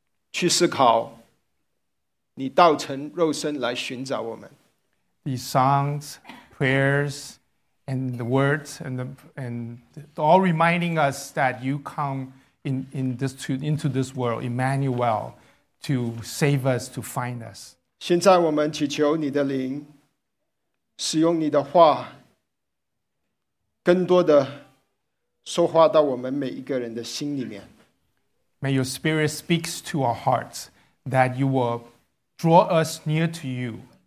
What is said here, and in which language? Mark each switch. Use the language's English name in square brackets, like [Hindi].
[Chinese] 这些诗歌、这些话、这些祷告，再次提醒我们去思考。 [English] These songs, prayers, and the words, and all reminding us that you come into this world, Emmanuel, to save us, to find us. [Chinese] 现在我们祈求你的灵，使用你的话，更多的说话到我们每一个人的心里面。 [English] May your Spirit speak to our hearts that you will draw us near to you.